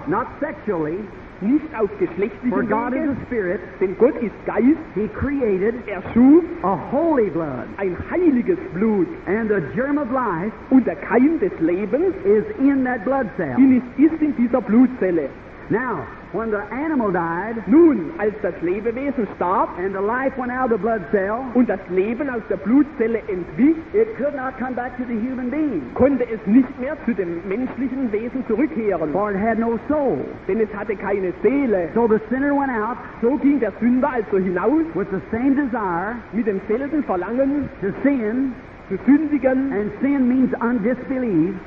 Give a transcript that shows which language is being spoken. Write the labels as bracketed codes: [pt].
[en] Not sexually. [de] Nicht auf geschlechtlichen Wege. [en] For God is a spirit. [de] Denn Gott ist Geist. [en] He created. [de] Er schuf. [en] A holy blood. [de] Ein heiliges Blut. [en] And the germ of life. [de] Und der Keim des Lebens. [en] Is in that blood cell. [de] Ist in dieser Blutzelle. [en] Now, when the animal died, [de] nun, als das Lebewesen starb, [en] and the life went out of the blood cell, [de] und das Leben aus der Blutzelle entwich, [en] it could not come back to the human being. [de] Konnte es nicht mehr zu dem menschlichen Wesen zurückkehren. [en] For it had no soul. [de] Denn es hatte keine Seele. [en] So the sinner went out, [de] so ging der Sünder also hinaus, [en] with the same desire, [de] mit demselben Verlangen, [en] to sin, [de] zu sündigen. [en] And sin means undisbelief.